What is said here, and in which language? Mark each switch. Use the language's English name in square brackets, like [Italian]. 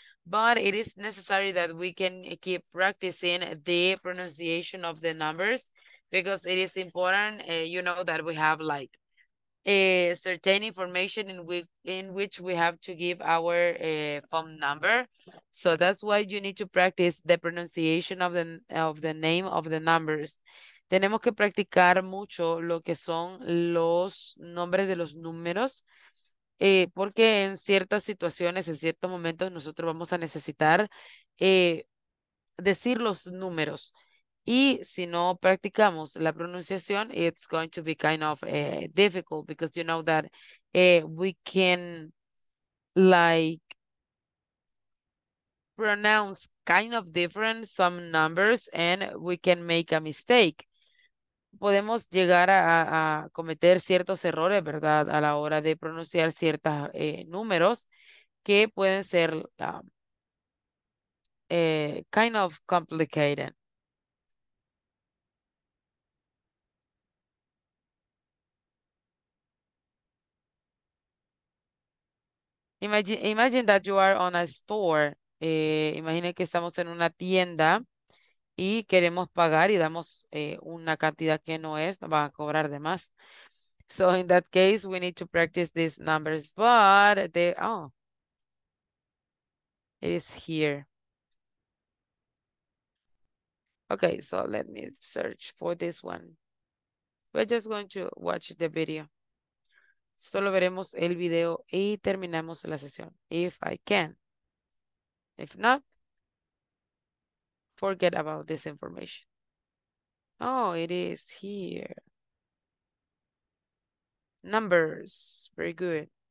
[English] But it is necessary that we can keep practicing the pronunciation of the numbers because it is important, you know, that we have like a certain information in which we have to give our phone number. So that's why you need to practice the pronunciation of the name of the numbers. [Spanish] Tenemos que practicar mucho lo que son los nombres de los números. Porque en ciertas situaciones, en ciertos momentos, nosotros vamos a necesitar decir los números. Y si no practicamos la pronunciación, [English] it's going to be kind of difficult because you know that we can like pronounce kind of different some numbers and we can make a mistake. [Spanish] Podemos llegar a cometer ciertos errores, ¿verdad? A la hora de pronunciar ciertos números que pueden ser [English] kind of complicated. Imagine that you are on a store. [Spanish] Imagine que estamos en una tienda. Y queremos pagar y damos una cantidad que no es, nos van a cobrar de más. [English] So in that case, we need to practice these numbers. But it is here. Okay, so let me search for this one. We're just going to watch the video. [Spanish] Solo veremos el video y terminamos la sesión. [English] If I can. If not, forget about this information. Oh, it is here. Numbers. Very good.